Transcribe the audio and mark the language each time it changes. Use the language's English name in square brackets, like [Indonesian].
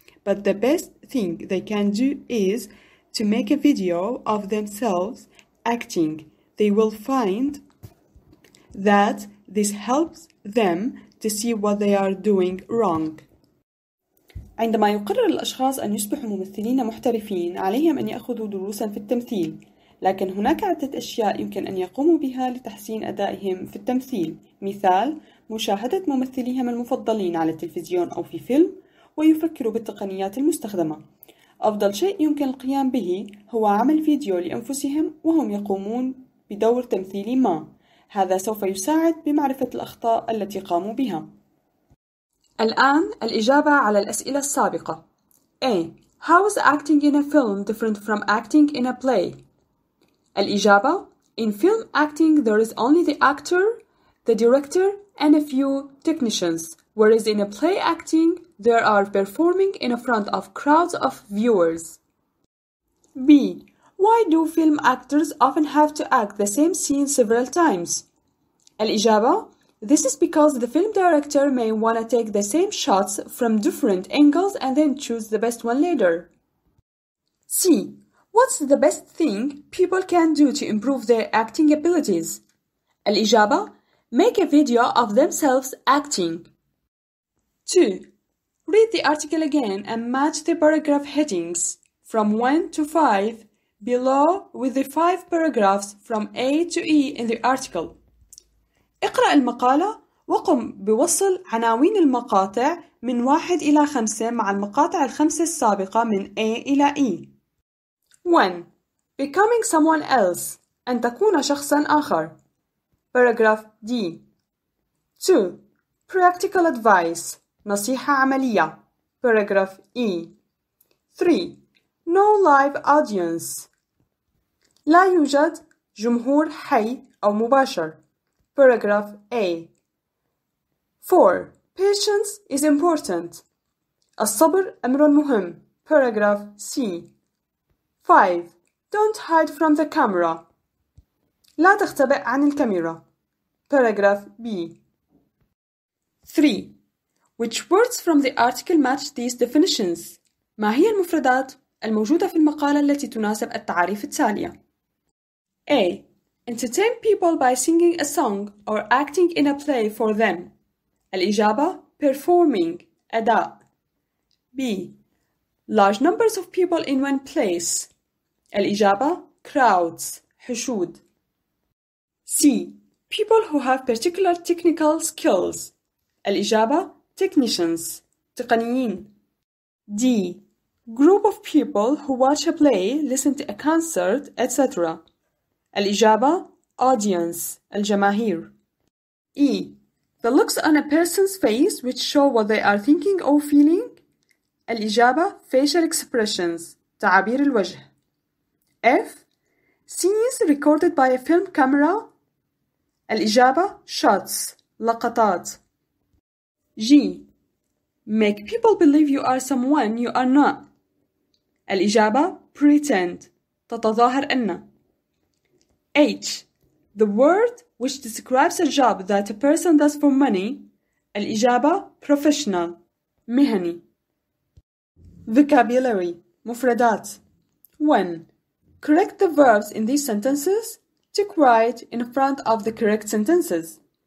[English] But the best thing they can do is to make a video of themselves acting. They will find that this helps them to see what they are doing wrong. [Arabic] عندما يقرر الأشخاص أن يصبحوا ممثلين محترفين، عليهم أن يأخذوا دروساً في التمثيل. لكن هناك عدة أشياء يمكن أن يقوموا بها لتحسين أدائهم في التمثيل. مثال: مشاهدة ممثليهم المفضلين على التلفزيون أو في فيلم، ويفكروا بالتقنيات المستخدمة. أفضل شيء يمكن القيام به هو عمل فيديو لأنفسهم وهم يقومون بدور تمثيلي ما. هذا سوف يساعد بمعرفة الأخطاء التي قاموا بها. الآن الإجابة على الأسئلة السابقة. A. [English] How is acting in a film different from acting in a play? الإجابة: In film acting, there is only the actor, the director, and a few technicians, whereas in a play acting, there are performing in front of crowds of viewers. B. Why do film actors often have to act the same scene several times? الإجابة: This is because the film director may want to take the same shots from different angles and then choose the best one later. C. What's the best thing people can do to improve their acting abilities? الإجابة: Make a video of themselves acting. 2. Read the article again and match the paragraph headings from 1 to 5 below with the 5 paragraphs from A to E in the article. [Arabic] اقرأ المقالة وقم بوصل عناوين المقاطع من 1 إلى 5 مع المقاطع الخمسة السابقة من A إلى E. 1. [English] Becoming someone else. [Arabic] أن تكون شخصاً آخر. [English] Paragraph D. 2. Practical advice. [Arabic] نصيحة عملية. Paragraph E. 3. [English] No live audience. [Arabic] لا يوجد جمهور حي أو مباشر. [English] Paragraph A. 4. Patience is important. [Arabic] الصبر أمر مهم. Paragraph C. 5. [English] Don't hide from the camera. [Arabic] لا تختبئ عن الكاميرا. Paragraph B. 3. [English] Which words from the article match these definitions? [Arabic] ما هي المفردات الموجودة في المقالة التي تناسب التعريف التالية؟ A. [English] Entertain people by singing a song or acting in a play for them. [Arabic] الإجابة: Performing, أداء. [English] B. Large numbers of people in one place. [Arabic] الإجابة: Crowds, حشود. [English] C. People who have particular technical skills. [Arabic] الإجابة: Technicians, تقنيين. [English] D. Group of people who watch a play, listen to a concert, etc. [Arabic] الإجابة: Audience, الجماهير. [English] E. The looks on a person's face which show what they are thinking or feeling. [Arabic] الإجابة: Facial expressions, تعابير الوجه. [English] F. Scenes recorded by a film camera. [Arabic] الإجابة: Shots, لقطات. [English] G. Make people believe you are someone you are not. [Arabic] الإجابة: Pretend, تتظاهر أن. [English] H. The word which describes a job that a person does for money. [Arabic] الإجابة: Professional, مهني. [English] Vocabulary, مفردات. 1. Correct the verbs in these sentences. Tick right in front of the correct sentences.